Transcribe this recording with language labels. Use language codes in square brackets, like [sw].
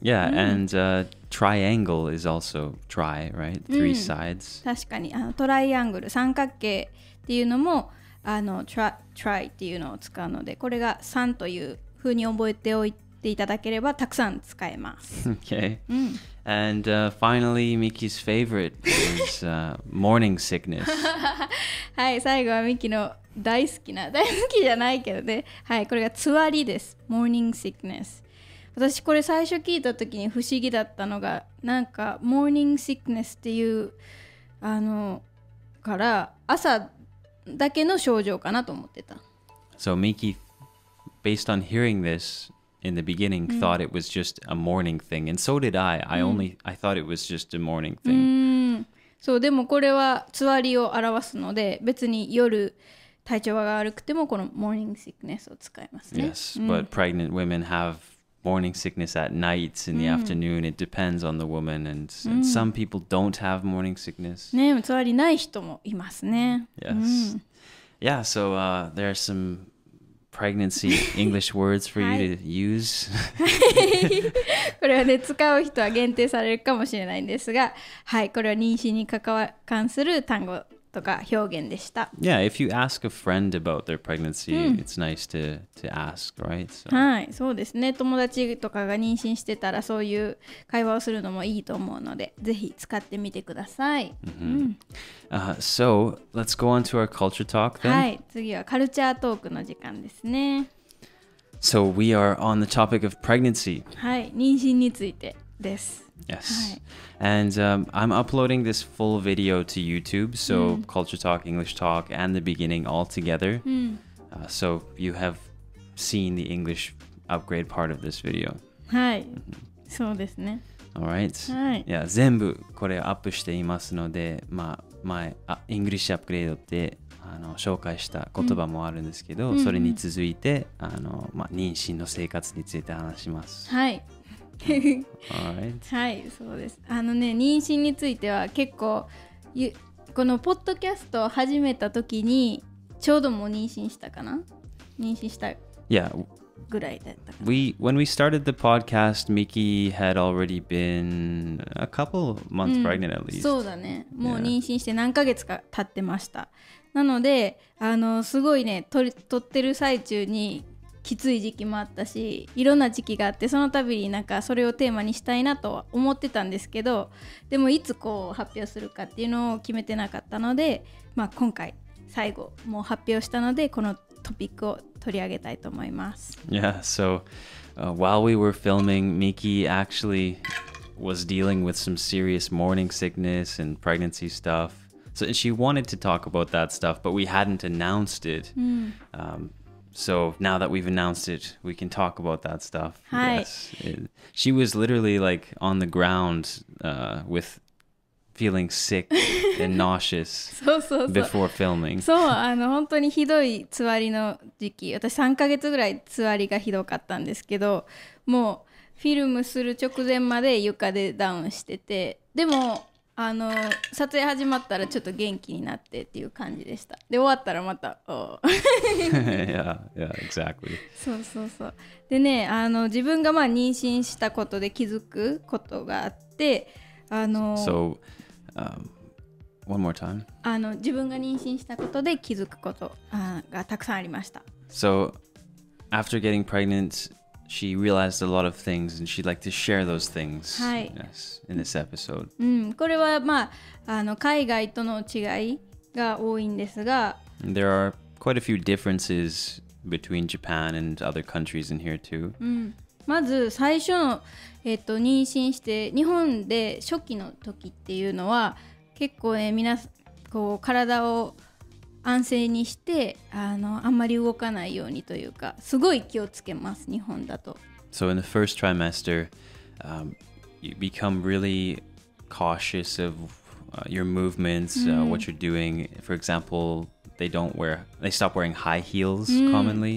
[en] Yeah,、and、triangle is also tri, right? Three sides. [ja] 確かに、あのトライアングル、三角形っていうのも、あの tri っていうのを使うので、これが三という。ふうに覚えておいていただければたくさん使えます。 [en] Okay. And、finally, Miki's favorite is、morning sickness. [ja] はい、最後はミキの大好きな、大好きじゃないけどね。はい、これがつわりです。 [en] Morning sickness。 [ja] 私これ最初聞いた時に不思議だったのが、なんか morning sickness っていうあのから朝だけの症状かなと思ってた。 [en] So Miki. Based on hearing this in the beginning, thought it was just a morning thing. And so did I. I thought it was just a morning thing. [ja] そう、でもこれはつわりを表すので、別に夜体調が悪くてもこの morning sickness を使いますね。 [en] Yes, but pregnant women have morning sickness at night, in the afternoon. It depends on the woman. And some people don't have morning sickness. [ja] ね、つわりない人もいますね。 [en] Yes. Yeah, so there are somePregnancy English words for you to use. [ja] これはね、使う人は限定されるかもしれないんですが、はい、これは妊娠に関する単語とか表現でした。 [en] Yeah, if you ask a friend about their pregnancy, it's nice to ask, right? [ja] So. はい、そうですね。友達とかが妊娠してたらそういう会話をするのもいいと思うので、ぜひ使ってみてください。 [en] So, let's go on to our culture talk then. [ja] はい、次はカルチャートークの時間ですね。 [en] So, we are on the topic of pregnancy. [ja] はい、妊娠についてです。 [en] Yes.、はい、And、I'm uploading this full video to YouTube, so、Culture Talk, English Talk, and the beginning all together.、So you have seen the English upgrade part of this video. [ja] はい、そうですね。 [en] All right.、 [ja] はい、 yeah, 全部これアップしていますので、まあ、前、English upgrade って紹介した言葉もあるんですけど、それに続いて、まあ、妊娠の生活について話します。はい。 [en] Alright. [ja] はい、そうです。あのね、妊娠については結構このポッドキャストを始めた時にちょうどもう妊娠したかな？妊娠したぐらいだったかな。 [en] Yeah. When we started the podcast, Miki had already been a couple months pregnant at least. [ja] そうだね。もう妊娠して何ヶ月か経ってました。なのですごいね、撮ってる最中にきつい時期もあったし、いろんな時期があって、その度になんかそれをテーマにしたいなとは思ってたんですけど、でもいつこう発表するかっていうのを決めてなかったので、まあ、今回最後もう発表したのでこのトピックを取り上げたいと思います。 [en] Yeah, so、while we were filming, Miki actually was dealing with some serious morning sickness and pregnancy stuff. So she wanted to talk about that stuff, but we hadn't announced it、So now that we've announced it, we can talk about that stuff. [ja] はい、 [en] yes. She was literally like on the ground、with feeling sick and nauseous [ja] そうそうそう [en] before filming. [ja] そう、本当にひどいつわりの時期。私3ヶ月ぐらいつわりがひどかったんですけど、もうフィルムする直前まで床でダウンしてて、でも撮影始まったらちょっと元気になってっていう感じでした。で、終わったらまた、おぉ。 [en] yeah, yeah, exactly. [ja] そうそうそう。でね、自分がまあ妊娠したことで気づくことがあって、 [en] So, one more time. [ja] 自分が妊娠したことで気づくことがたくさんありました。 [en] So, after getting pregnant, she realized a lot of things and she'd like to share those things、 [ja] はい、 [en] yes, in this episode.、 [ja] うん、これは、まあ、あの海外との違いが多いんですが、 [en] There are quite a few differences between Japan and other countries in here too.、 [ja] うん、まず最初の、妊娠して日本で初期の時っていうのは結構ね、皆こう体を安静にしてあんまり動かないようにというかすごい気をつけます日本だと。 [en] So in the first trimester,、you become really cautious of、your movements,、うん what you're doing. For example, they stop wearing high heels commonly、